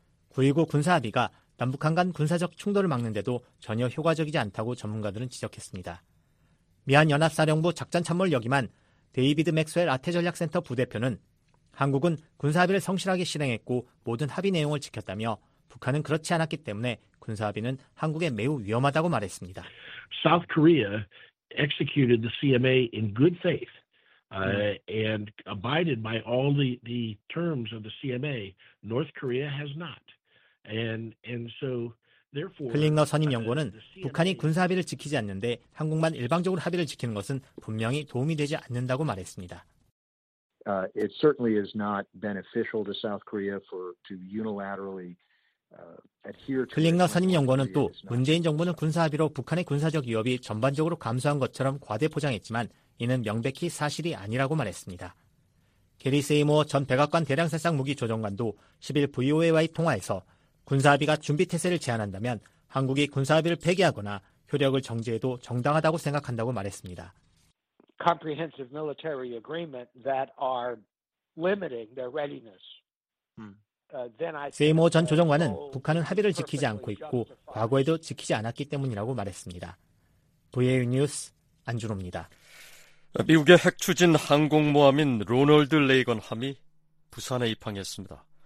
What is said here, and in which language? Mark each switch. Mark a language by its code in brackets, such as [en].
[ko] 9.19 군사합의가 남북한 간 군사적 충돌을 막는데도 전혀 효과적이지 않다고 전문가들은 지적했습니다. 미한연합사령부 작전참모를 역임한 데이비드 맥스웰 아태전략센터 부대표는 한국은 군사합의를 성실하게 실행했고 모든 합의 내용을 지켰다며 북한은 그렇지 않았기 때문에 군사합의는 한국에 매우 위험하다고 말했습니다. [en] South Korea executed the CMA in good faith and abided by all the terms of the CMA. North Korea has not. And so therefore [ko] 클링너 선임 연구원은 북한이 군사 합의를 지키지 않는데 한국만 일방적으로 합의를 지키는 것은 분명히 도움이 되지 않는다고 말했습니다. [en] It certainly is not beneficial to South Korea to unilaterally [ko] 클링너 선임 연구원은 또 문재인 정부는 군사 합의로 북한의 군사적 위협이 전반적으로 감소한 것처럼 과대포장했지만 이는 명백히 사실이 아니라고 말했습니다. 게리 세이모어 전 백악관 대량살상 무기 조정관도 10일 VOA와의 통화에서 군사 합의가 준비 태세를 제한한다면 한국이 군사 합의를 폐기하거나 효력을 정지해도 정당하다고 생각한다고 말했습니다. [en] Comprehensive military agreement that are limiting their readiness. [ko] 세이모어 전 조정관은 북한은 합의를 지키지 않고 있고 과거에도 지키지 않았기 때문이라고 말했습니다. VOA 뉴스 안준호입니다. 미국의 핵 추진 항공모함인 로널드 레이건 함이 부산에 입항했습니다.